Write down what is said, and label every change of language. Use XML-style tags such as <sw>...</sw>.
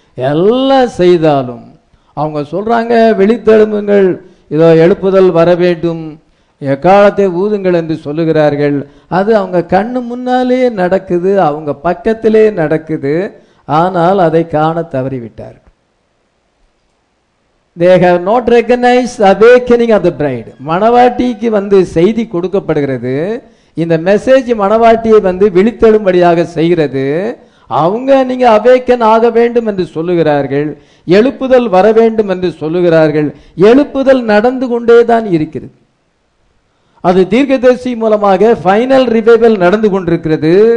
<ta>எல்லாம் செய்தாலும் அவங்க சொல்றாங்க, வெளித்தெழுங்கள், இதோ எழுப்புதல் வர வேண்டும், எக்காலத்தை ஊதுங்கள் என்று சொல்லுகிறார்கள். அது அவங்க கண்ணு முன்னாலே நடக்குது, அவங்க பக்கத்திலே நடக்குது, ஆனால் அதை காண தவறிவிட்டார்கள்.</ta> <en>They have not recognized awakening of the bride.</en> <ta>மணவாட்டிக்கு வந்து செய்தி கொடுக்கப்படுகிறது, இந்த மெசேஜ் மணவாட்டியை வந்து விழித்தெழும்படியாக செய்கிறது. அவங்க நீங்க அவேக்கன் ஆக வேண்டும் என்று சொல்லுகிறார்கள், எழுப்புதல் வர வேண்டும் என்று சொல்லுகிறார்கள். எழுப்புதல் நடந்து கொண்டேதான் இருக்கிறது. அது தீர்க்கதரிசி மூலமாக ஃபைனல் ரிவைவல் நடந்து கொண்டிருக்கிறது.</ta>